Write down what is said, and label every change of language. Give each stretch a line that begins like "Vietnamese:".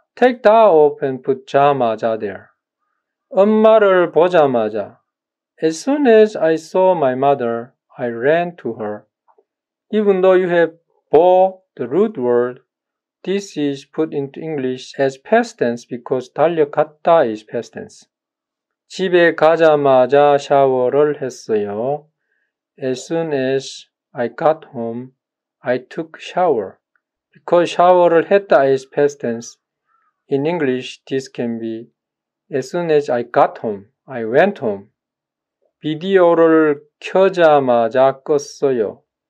English: Take da off and put 자마자 there.
Korean: 엄마를 보자마자.
English: As soon as I saw my mother, I ran to her. Even though you have 보, the root word, this is put into English as past tense because 달려갔다 is past tense.
Korean: 집에 가자마자 샤워를 했어요.
English: As soon as I got home, I took shower. Because 샤워를 했다 is past tense, in English, this can be as soon as I got home, I went home.
Korean: 비디오를 켜자마자 껐어요.